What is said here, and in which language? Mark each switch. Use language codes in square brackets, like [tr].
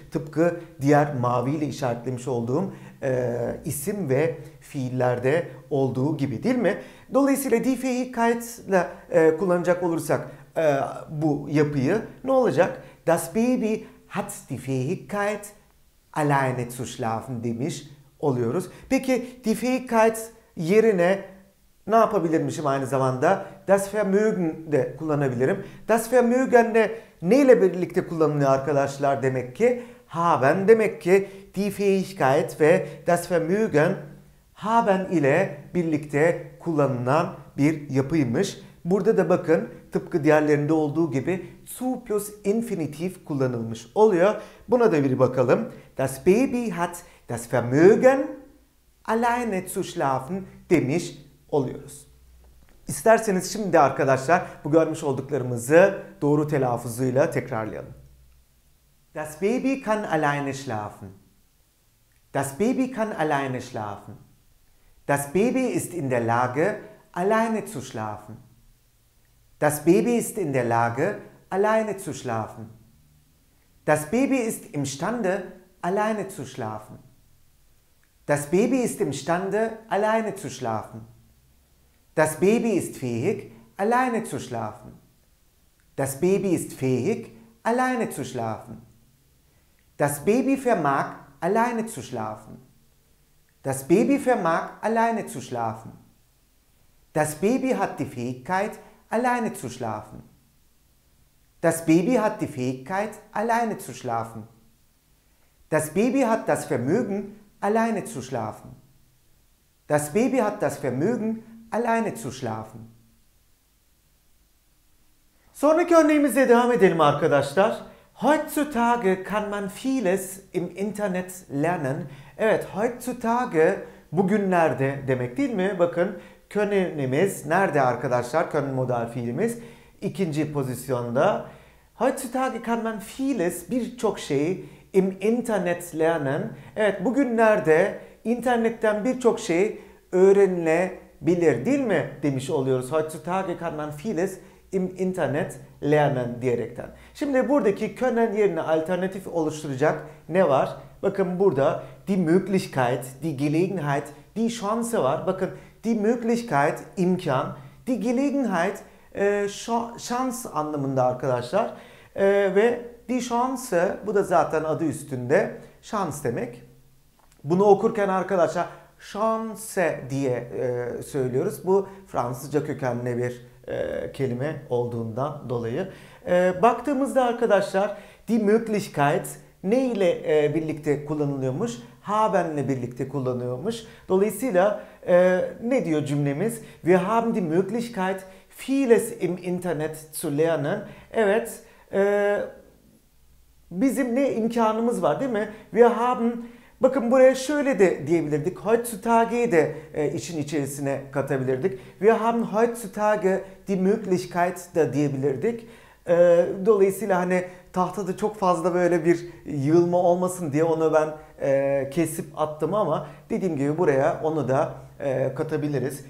[tr] Tıpkı diğer maviyle işaretlemiş olduğum isim ve fiillerde olduğu gibi değil mi? Dolayısıyla die Fähigkeit ile kullanacak olursak bu yapıyı ne olacak? [de] Das Baby hat die Fähigkeit alleine zu schlafen [tr] demiş oluyoruz. Peki Defähigkeit yerine ne yapabilirmişim aynı zamanda? Das Vermögen de kullanabilirim. Das Vermögen de neyle birlikte kullanılıyor arkadaşlar demek ki? Haben demek ki die Fähigkeit ve das Vermögen haben ile birlikte kullanılan bir yapıymış. Burada da bakın tıpkı diğerlerinde olduğu gibi zu plus infinitif kullanılmış oluyor. Buna da bir bakalım. [de] Das Baby hat das Vermögen alleine zu schlafen [tr] demiş oluyoruz. İsterseniz şimdi arkadaşlar bu görmüş olduklarımızı doğru telaffuzuyla tekrarlayalım. [de] Das Baby kann alleine schlafen. Das Baby kann alleine schlafen. Das Baby ist in der Lage, alleine zu schlafen. Das Baby ist in der Lage, alleine zu schlafen. Das Baby ist imstande, alleine zu schlafen. Das Baby ist imstande, alleine zu schlafen. Das Baby ist fähig, alleine zu schlafen. Das Baby ist fähig, alleine zu schlafen. Das Baby vermag alleine zu schlafen. Das Baby vermag alleine zu schlafen. Das Baby hat die Fähigkeit, alleine zu schlafen. Das Baby hat die Fähigkeit, alleine zu schlafen. Das Baby hat das Vermögen, alleine zu schlafen. Das Baby hat das Vermögen, alleine zu schlafen. [tr] Sonraki örneğimize devam edelim arkadaşlar. [de] Heutzutage kann man vieles im Internet lernen. [tr] Evet, heutzutage bugünlerde demek değil mi? Bakın, können'imiz nerede arkadaşlar? Können modal fiilimiz ikinci pozisyonda. [de] Heutzutage kann man vieles, [tr] birçok şeyi [de] im Internet lernen. [tr] Evet, bugünlerde internetten birçok şey öğrenilebilir değil mi? Demiş oluyoruz. [de] Heutzutage kann man vieles im Internet lernen [tr] diyerekten. Şimdi buradaki können yerine alternatif oluşturacak ne var? Bakın burada die Möglichkeit, die Gelegenheit, die Chance var. Bakın die Möglichkeit, imkan, die Gelegenheit, şans anlamında arkadaşlar. Ve die Chance, bu da zaten adı üstünde, şans demek. Bunu okurken arkadaşlar Chance diye söylüyoruz. Bu Fransızca kökenli bir kelime olduğundan dolayı. Baktığımızda arkadaşlar die Möglichkeit ne ile birlikte kullanılıyormuş? Haben ile birlikte kullanıyormuş. Dolayısıyla ne diyor cümlemiz? [de] Wir haben die Möglichkeit vieles im Internet zu lernen. [tr] Evet, bizim ne imkanımız var değil mi? [de] Wir haben, [tr] bakın buraya şöyle de diyebilirdik. Heutzutage'yi de işin içerisine katabilirdik. [de] Wir haben heutzutage die Möglichkeit [tr] da diyebilirdik. Dolayısıyla hani tahtada çok fazla böyle bir yığılma olmasın diye onu ben kesip attım ama dediğim gibi buraya onu da katabiliriz.